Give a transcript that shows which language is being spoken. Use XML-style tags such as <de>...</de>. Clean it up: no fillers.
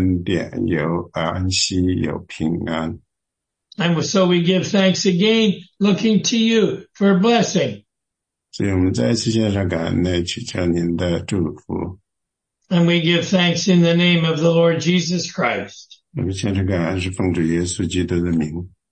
<zh>今天呢，我们主啊，我们也感谢那个今天，今天呢，感谢那神的那个伟大的话，里面呢有恩典，有安息，有平安。</zh> <en>And so we give thanks again, looking to you for blessing.</en> <zh>所以我们再次献上感恩，祈求您的祝福。</zh> <en>And we give thanks in the name of the Lord Jesus Christ.</en> <zh>我们献上感恩，是奉主耶稣基督的名。</zh>